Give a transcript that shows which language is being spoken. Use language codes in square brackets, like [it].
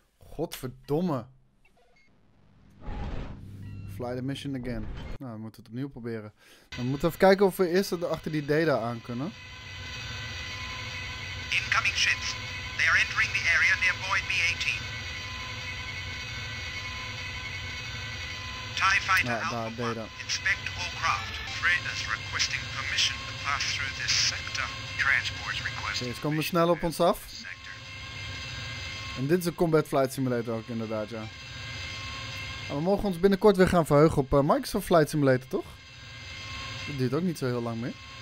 [nl] Godverdomme. [en] Fly the mission again. [nl] Nou, we moeten het opnieuw proberen. Dan moeten we even kijken of we eerst achter die Data aan kunnen. [en] Incoming ships. They are entering the area near Void B-18. TIE Fighter Alpha 1, inspect all craft. Fred is requesting permission to pass through this sector. Transport request. [nl] Ze komen snel op ons af. En dit is een Combat Flight Simulator ook inderdaad, ja. En we mogen ons binnenkort weer gaan verheugen op Microsoft Flight Simulator, toch? Dat duurt ook niet zo heel lang meer.